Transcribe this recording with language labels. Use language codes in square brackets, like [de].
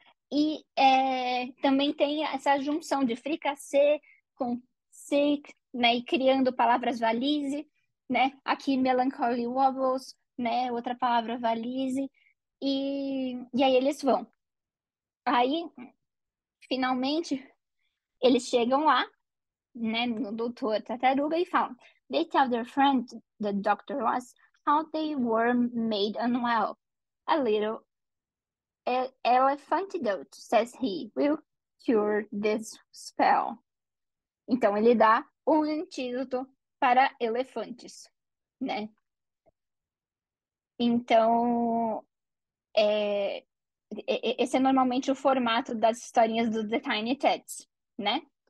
[pt] E também tem essa junção de fricassê com sick, né, e criando palavras valise, né, aqui melancholy wobbles, né, outra palavra valise, e aí eles vão. Aí, finalmente, eles chegam lá, né, no doutor Tartaruga, e falam: [en] They tell their friend, the doctor was, how they were made unwell, a little Elephantidote, says he, will cure this spell. [pt] Então ele dá um antídoto para elefantes, né? Então, esse é normalmente o formato das historinhas do The Tiny Tats, né?